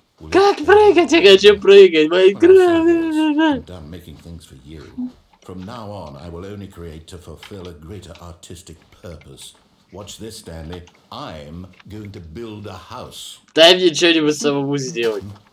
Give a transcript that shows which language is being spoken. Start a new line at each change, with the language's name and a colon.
Russian: Как прыгать? Я хочу прыгать! Майнкрафт!
English: I've done making things for you. From now on, I will only create to fulfill a greater artistic purpose. Watch this, Stanley. I'm going to build a house.
Russian: Дай мне что-нибудь самому сделать.